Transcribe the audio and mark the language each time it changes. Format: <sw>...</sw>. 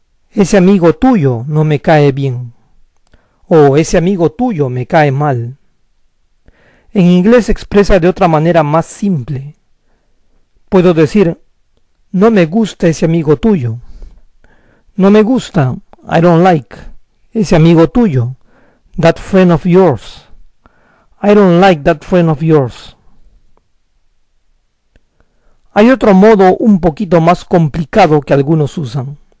<es>Ese amigo tuyo no me cae bien. O ese amigo tuyo me cae mal. En inglés se expresa de otra manera más simple. Puedo decir, no me gusta ese amigo tuyo. No me gusta,</es> <en>I don't like,</en> <es>ese amigo tuyo,</es> <en>that friend of yours. I don't like that friend of yours.</en> <es>Hay otro modo un poquito más complicado que algunos usan.</es>